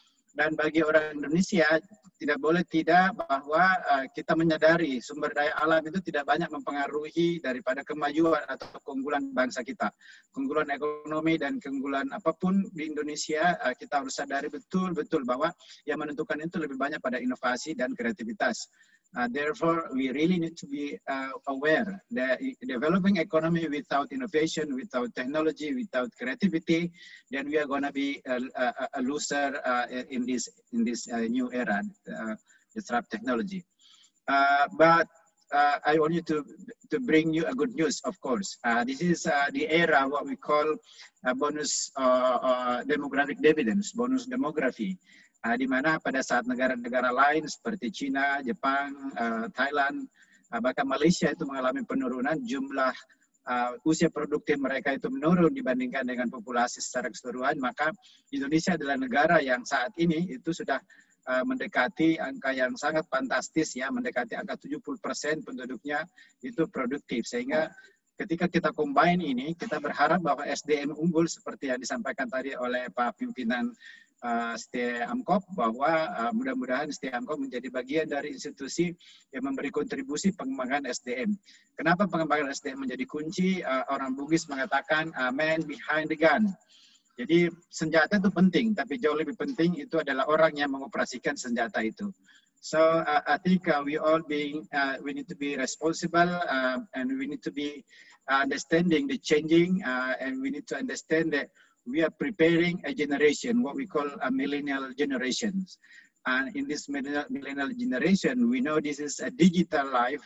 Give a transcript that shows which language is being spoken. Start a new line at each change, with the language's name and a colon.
Indonesian: Dan bagi orang Indonesia, tidak boleh tidak bahwa kita menyadari sumber daya alam itu tidak banyak mempengaruhi daripada kemajuan atau keunggulan bangsa kita. Keunggulan ekonomi dan keunggulan apapun di Indonesia, kita harus sadari betul-betul bahwa yang menentukan itu lebih banyak pada inovasi dan kreativitas.
English: Therefore, we really need to be aware that developing economy without innovation, without technology, without creativity, then we are going to be a loser in this new era, disrupt technology. But I want you to bring you a good news, of course. This is the era, what we call a bonus demographic dividends, bonus demography.
Indonesian: Di mana pada saat negara-negara lain seperti China, Jepang, Thailand, bahkan Malaysia itu mengalami penurunan jumlah usia produktif mereka itu menurun dibandingkan dengan populasi secara keseluruhan, maka Indonesia adalah negara yang saat ini itu sudah mendekati angka yang sangat fantastis, ya, mendekati angka 70% penduduknya itu produktif. Sehingga ketika kita combine ini, kita berharap bahwa SDM unggul seperti yang disampaikan tadi oleh Pak Pimpinan Setia Amkop, bahwa mudah-mudahan Setia Amkop menjadi bagian dari institusi yang memberi kontribusi pengembangan SDM. Kenapa pengembangan SDM menjadi kunci? Orang Bugis mengatakan
English: man behind the gun.
Indonesian: Jadi senjata itu penting, tapi jauh lebih penting itu adalah orang yang mengoperasikan senjata itu.
English: So I think we need to be responsible and we need to be understanding the changing and we need to understand that we are preparing a generation, what we call a millennial generation. And in this millennial generation, we know this is a digital life.